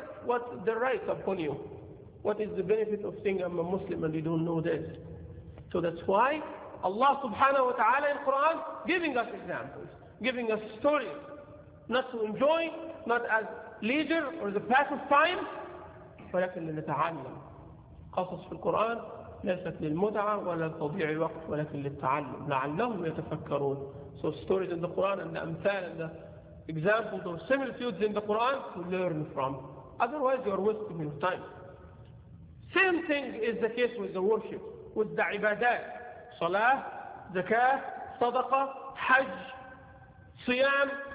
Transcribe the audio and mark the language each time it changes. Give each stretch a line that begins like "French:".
English: What the rights upon you? What is the benefit of saying I'm a Muslim and you don't know this? So that's why Allah subhanahu wa ta'ala in Quran giving us examples, giving us stories, not to enjoy, not as leader or the path of time,
Arabic: ولكن لنتعلم. قصص في القرآن ليست للمتعة ولا لتضييع الوقت ولكن للتعلم لعلهم يتفكرون.
English: So stories in the Quran and the amthal and the examples or similitudes in the Quran to learn from. Otherwise you are wasting your time. Same thing is the case with the worship, with the ibadah, salah, zakah, sadaqah, hajj, siyam.